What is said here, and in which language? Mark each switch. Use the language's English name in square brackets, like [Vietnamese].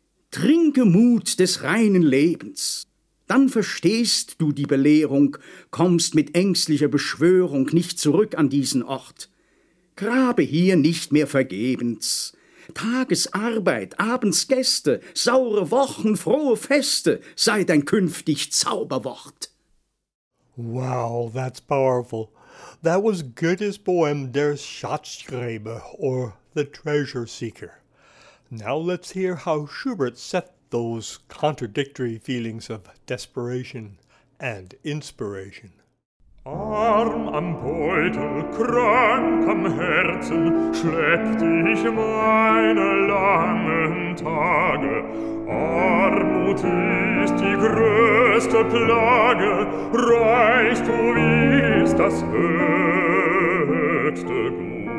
[German] Trinke Mut des reinen Lebens, dann verstehst du die Belehrung, kommst mit ängstlicher Beschwörung nicht zurück an diesen Ort. Grabe hier nicht mehr vergebens. Tagesarbeit, abends Gäste, saure Wochen, frohe Feste, sei dein künftig Zauberwort. [English] Wow, that's powerful. That was Goethe's poem Der Schatzgräber, or The Treasure Seeker. Now let's hear how Schubert set those contradictory feelings of desperation and inspiration. [German] Arm am Beutel, krank am Herzen, schleppt ich meine langen Tage. Armut ist die größte Plage, Reichtum ist das höchste Gut.